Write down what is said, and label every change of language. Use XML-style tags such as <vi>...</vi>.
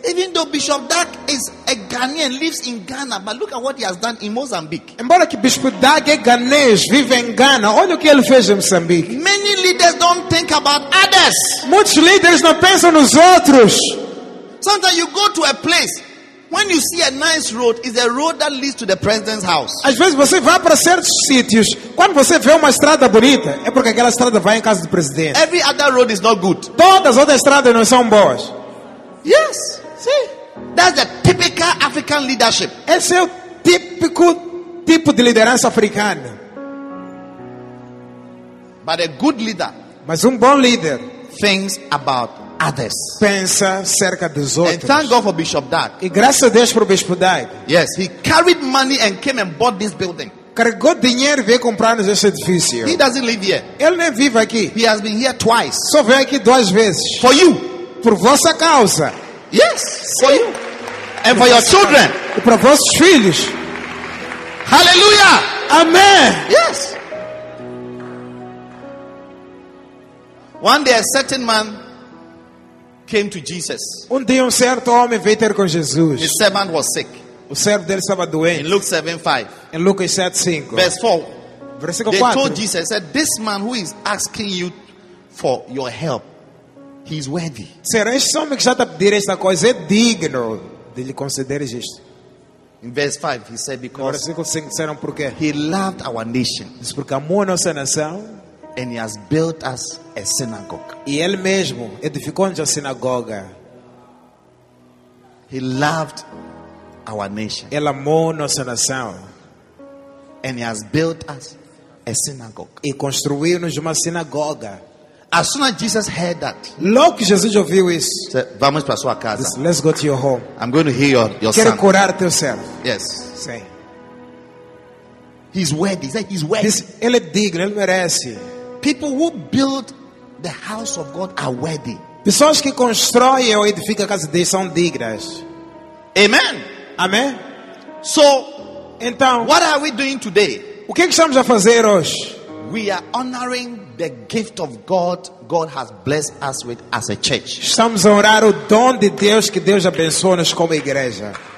<en>Even though Bishop Dag is a Ghanaian, lives in Ghana, but look at what he has done in Mozambique.</en> <pt>Embora que Bispo Dag é ganês, vive em Ghana, olha o que ele fez em Moçambique.</pt> <en>Many leaders don't think about others.</en> <pt>Muitos líderes não pensam nos outros.</pt> <en>Sometimes you go to a place. When you see a nice road, it's a road that leads to the president's house.</en> <pt>Às vezes você vai para certos sítios. Quando você vê uma estrada bonita, é porque aquela estrada vai em casa do presidente.</pt> <en>Every other road is not good.</en> <pt>Todas as outras estradas não são boas.</pt> <en>Yes. See? That's the typical African leadership.</en> <pt>Esse é o típico tipo de liderança africana.</pt> <en>But a good leader.</en> <pt>Mas um bom líder.</pt> <en>Thinks about others.</en> <pt>Pensa cerca dos outros.</pt> <en>And thank God for Bishop Dag.</en> <pt>E graças a Deus por Bispo Dag.</pt> <en>Yes, he carried money and came and bought this building.</en> <pt>Carregou dinheiro e veio comprar-nos esse edifício.</pt> <en>He doesn't live here.</en> <pt>Ele nem vive aqui.</pt> <en>He has been here twice.</en> <pt>Só veio aqui duas vezes.</pt> <en>For you.</en> <pt>Por vossa causa.</pt> <en>Yes.</en> <pt>Sim.</pt> <en>For you. And for your children.</en> <pt>E para vossos filhos.</pt> <en>Hallelujah.</en> <pt>Amém.</pt> <en>Yes. One day a certain man came to Jesus.</en> <pt>Um dia um certo homem veio ter com Jesus.</pt> <en>His servant was sick.</en> <pt>O servo dele estava doente.</pt> <en>In Luke 7:5.</en> <pt>Em Lucas 7:5.</pt> <en>Verse 4.</en> <pt>Versículo</pt> <en>they 4. They told Jesus, said, "This man who is asking you for your help, he is worthy."</en> <pt>Será este homem que já está a pedir esta coisa é digno de lhe concederes isto?</pt> <en>In verse 5, he said, "Because."</en> <pt>Versículo 5 disseram porque?</pt> <en>He loved our nation.</en> <pt>Diz porque amou a nossa nação.</pt> <en>And he has built us a synagogue.</en> <pt>E ele mesmo edificou-nos a sinagoga.</pt> <en>He loved our nation.</en> <pt>Ele amou nossa nação.</pt> <en>And he has built us a synagogue.</en> <pt>E construiu-nos uma sinagoga.</pt> <en>As soon as Jesus heard that,</en> <pt>logo que Jesus ouviu isso, said, vamos para sua casa.</pt> <en>Disse, let's go to your home. I'm going to heal your</en> <pt>quero</pt> <en>son.</en> <pt>Curar teu servo.</pt> <en>Yes.</en> <pt>Sim.</pt> <en>He's worthy. He's worthy.</en> <pt>Disse, ele é digno, ele merece.</pt> <en>People who build the house of God are worthy.</en> <pt>Pessoas que constroem ou edificam a casa de Deus são dignas.</pt> <en>Amen. Amen. So,</en> <pt>então,</pt> <en>what are we doing today?</en> <pt>O que estamos a fazer hoje?</pt> <en>We are honoring the gift of God God has blessed us with as a church.</en> <pt>Estamos a honrar o dom de Deus que Deus abençoou-nos como igreja.</pt>